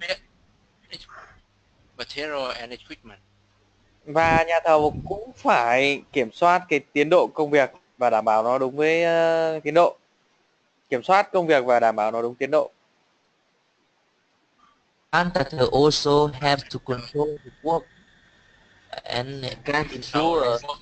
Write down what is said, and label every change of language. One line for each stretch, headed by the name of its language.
English: Contractor have to pay labor, material and equipment.
Vietnamese: Và nhà thầu cũng phải kiểm soát cái tiến độ công việc và đảm bảo nó đúng với tiến độ. Kiểm soát công việc và đảm bảo nó đúng tiến độ.
English: Contractor also have to control the work and can ensure